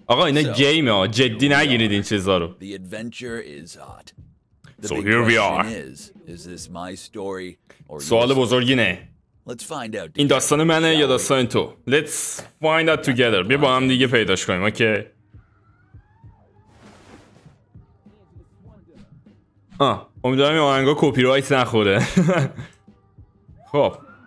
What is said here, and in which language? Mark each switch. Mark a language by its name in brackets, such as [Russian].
[Persian] آقا اینا گیمه، جدی نگیرید این چیزا رو. [English] The adventure is hot. So here we are. Is this my story or [Persian] سوال بزرگی نه. [English] Let's find out. [Persian] این داستان منه یا داستان تو؟ [English] Let's find out together. [Persian] بیا با هم دیگه پیداش کنیم. اوکی. امیدوارم این آهنگا کپی رایت نخوره. خب.